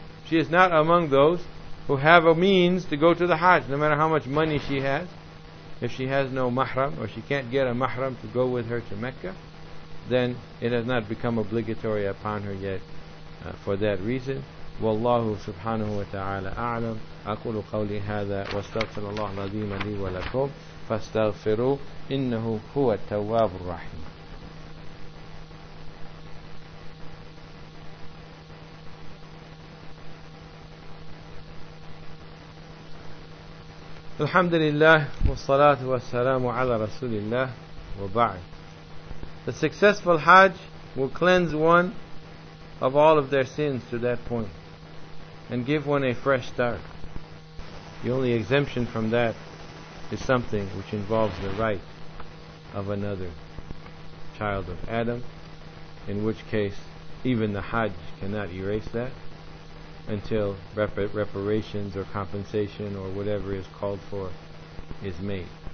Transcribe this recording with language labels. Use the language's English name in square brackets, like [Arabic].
[English] She is not among those who have a means to go to the Hajj, no matter how much money she has. If she has no mahram, or she can't get a mahram to go with her to Mecca, then it has not become obligatory upon her yet for that reason. Wallahu subhanahu wa ta'ala a'lam. [Arabic] أقول قولي هذا واستغفر الله العظيم لي ولكم فاستغفروه إنه هو التواب الرحيم. الحمد لله والصلاة والسلام على رسول الله وبعد. [English] The successful Hajj will cleanse one of all of their sins to that point and give one a fresh start. The only exemption from that is something which involves the right of another child of Adam, in which case even the Hajj cannot erase that until reparations or compensation or whatever is called for is made.